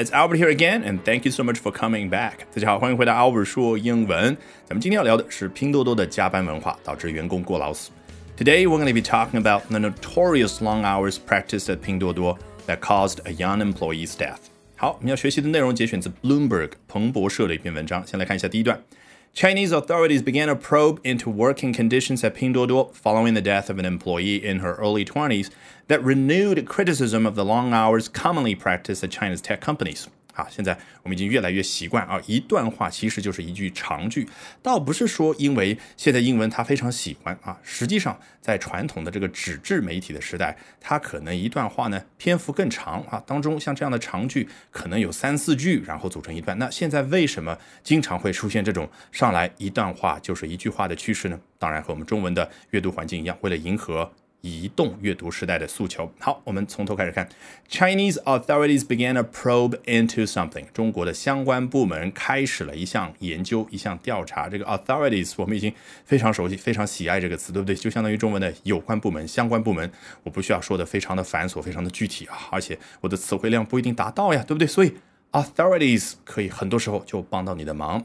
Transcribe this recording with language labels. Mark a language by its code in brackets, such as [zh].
[en] It's Albert here again, and thank you so much for coming back. [zh] 大家好，欢迎回到 Albert 说英文。咱们今天要聊的是拼多多的加班文化导致员工过劳死。 [en] Today, we're going to be talking about the notorious long hours practiced at Pinduoduo that caused a young employee's death. [zh] 好，我们要学习的内容节选自 Bloomberg 彭博社的一篇文章。先来看一下第一段。 [en] Chinese authorities began a probe into working conditions at Pinduoduo following the death of an employee in her early 20s that renewed criticism of the long hours commonly practiced at China's tech companies. [zh] 好，现在我们已经越来越习惯，一段话其实就是一句长句，倒不是说因为现在英文它非常喜欢，实际上在传统的这个纸质媒体的时代，它可能一段话呢篇幅更长，当中像这样的长句可能有三四句然后组成一段。那现在为什么经常会出现这种上来一段话就是一句话的趋势呢？当然和我们中文的阅读环境一样，为了迎合移动阅读时代的诉求。好，我们从头开始看。 [en] Chinese authorities began a probe into something. [zh] 中国的相关部门开始了一项研究，一项调查。这个 authorities 我们已经非常熟悉，非常喜爱这个词，对不对？就相当于中文的有关部门、相关部门。我不需要说的非常的繁琐，非常的具体，而且我的词汇量不一定达到呀，对不对？所以Authorities 可以很多时候就帮到你的忙。